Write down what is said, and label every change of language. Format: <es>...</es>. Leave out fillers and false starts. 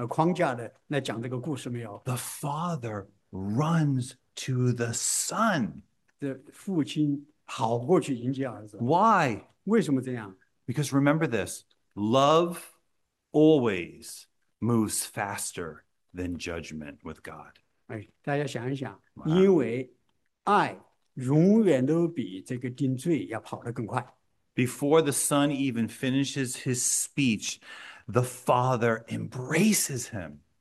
<zh>你们可以看见耶稣他是如何的这样子突破的犹太人他们所想象的所有的传统所有的框架的来讲这个故事没有。</zh> <en>The father runs to the son.</en> <zh>这父亲跑过去迎接儿子。</zh> <en>Why?</en> <zh>为什么这样?</zh> <en>Because remember this, love always moves faster than judgment with God.</en> <zh>大家想一想，因为爱永远都比这个定罪要跑得更快。</zh> <en>Before the son even finishes his speech, the father embraces him.</en>